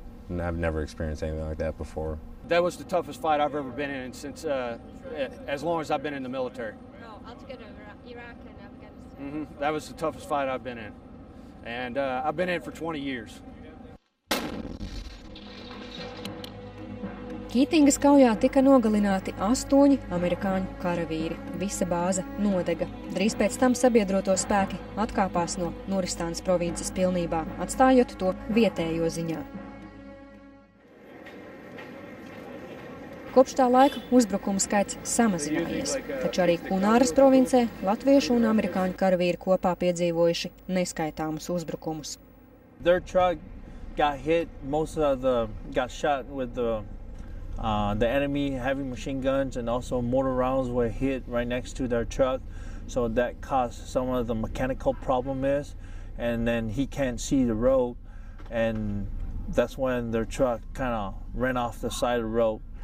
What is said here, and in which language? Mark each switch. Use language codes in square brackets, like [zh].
[en] And I've never experienced anything like that before. That was the toughest fight I've ever been in since as long as I've been in the military. No, altogether, Iraq and Afghanistan. Mm-hmm. That was the toughest fight I've been in, and I've been in for 20 years. [lv] Kītingas kaujā tika nogalināti 8 amerikāņu karavīri. Visa bāze nodega. Drīz pēc tam sabiedroto spēki atkāpās no Nuristānas provinces pilnībā, atstājot to vietējo ziņā. Kopš tā laika uzbrukumu skaits samazinājies, taču arī Kunāras provincē latviešu un amerikāņu karavīri kopā piedzīvojuši neskaitāmus uzbrukumus. [en] Their truck got hit, most of the got shot with the enemy heavy machine guns and also mortar rounds were hit right next to their truck, so that caused some of the mechanical problem is, and then he can't see the road, and that's when their truck kind of ran off the side of the road.